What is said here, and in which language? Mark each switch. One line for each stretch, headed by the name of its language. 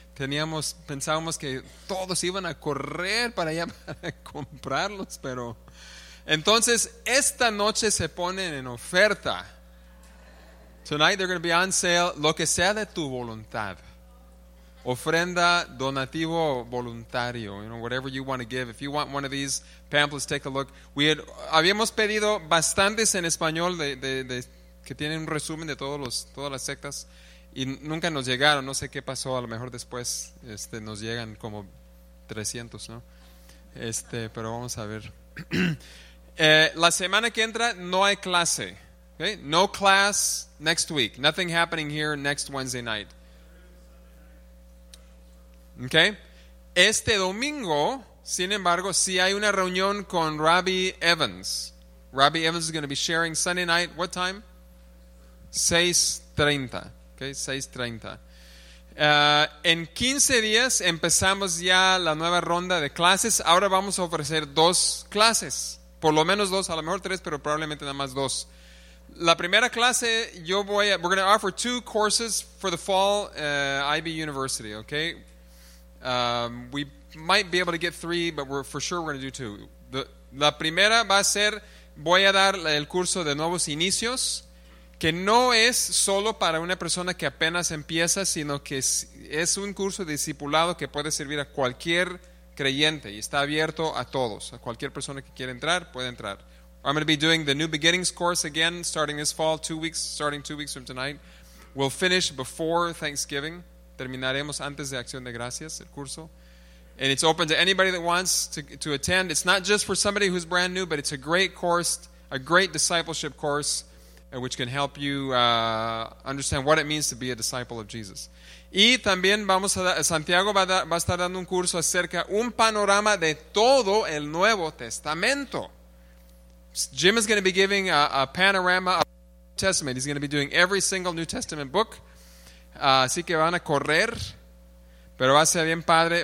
Spanish: Pensábamos que todos iban a correr para allá para comprarlos, pero... Entonces, esta noche se ponen en oferta.
English: Tonight they're going to be on sale.
Spanish: Lo que sea de tu voluntad. Ofrenda, donativo, voluntario.
English: You know, whatever you want to give. If you want one of these pamphlets, take a look.
Spanish: Habíamos pedido bastantes en español de que tienen un resumen de todas las sectas. Y nunca nos llegaron. No sé qué pasó. A lo mejor después nos llegan como 300, ¿no? Pero vamos a ver. La semana que entra no hay clase. Okay?
English: No class next week. Nothing happening here next Wednesday night. Okay?
Spanish: Este domingo, sin embargo, sí hay una reunión con Rabbi Evans.
English: Rabbi Evans is going to be sharing Sunday night. What time? 6:30. Okay? 6:30.
Spanish: En 15 días empezamos ya la nueva ronda de clases. Ahora vamos a ofrecer 2 clases. Por lo menos 2, a lo mejor 3, pero probablemente nada más 2. La primera clase,
English: we're going to offer 2 courses for the fall IB University, okay? We might be able to get 3, but we're going to do 2.
Spanish: La primera va a ser, voy a dar el curso de nuevos inicios, que no es solo para una persona que apenas empieza, sino que es un curso discipulado que puede servir a cualquier creyente y está abierto a todos, a cualquier persona que quiera entrar puede entrar.
English: I'm going to be doing the New Beginnings course again starting this fall, 2 weeks, starting 2 weeks from tonight. We'll finish before Thanksgiving.
Spanish: Terminaremos antes de Acción de Gracias el curso.
English: And it's open to anybody that wants to attend. It's not just for somebody who's brand new, but it's a great course, a great discipleship course. which can help you understand what it means to be a disciple of Jesus.
Spanish: Y también vamos a Santiago va a estar dando un curso acerca un panorama de todo el Nuevo Testamento.
English: Jim is going to be giving a panorama of the New Testament. He's going to be doing every single New Testament book.
Spanish: Así que van a correr, pero va a ser bien padre.